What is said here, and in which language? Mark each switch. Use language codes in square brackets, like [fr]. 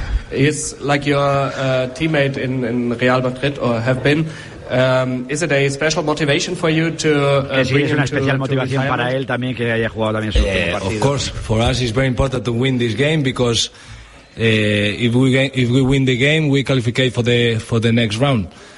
[en] He's like your teammate in Real Madrid, or have been. Is it a special motivation for you to [es] sí, es una especial motivación para él también que haya jugado también su último partido. [en] Of course, for us it's very important to win this game because if we win the game, we qualify for the next round.